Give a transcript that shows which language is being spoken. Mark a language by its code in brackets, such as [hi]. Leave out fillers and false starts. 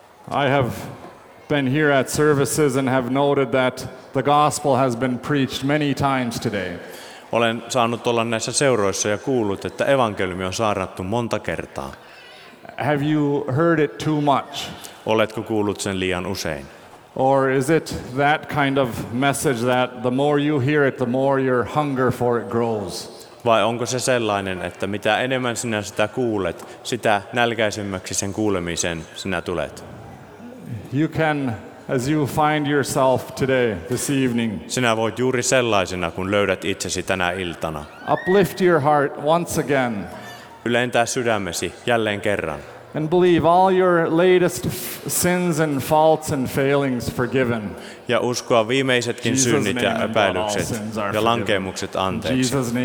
[en] I have been here at services and have noted that the gospel has been preached many times today. [fi] Olen saanut olla näissä seuroissa ja kuullut, että evankeliumi on saarnattu monta kertaa. [en] Have you heard it too much? [fi] Oletko kuullut sen liian usein? [en] Or is it that kind of message that the more you hear it, the more your hunger for it grows? [fi] Vai onko se sellainen, että mitä enemmän sinä sitä kuulet, sitä nälkäisemmäksi sen kuulemisen sinä tulet? [en] You can, as you find yourself today, this evening. [fi] Sinä voit juuri sellaisena, kun löydät itsesi tänä iltana. [en] Uplift your heart once again. [fi] Ylentää sydämesi jälleen kerran. [en] And believe all your latest sins and faults and failings forgiven. [fi] Ja uskoa viimeisetkin synnit ja epäilykset ja lankemukset anteeksi.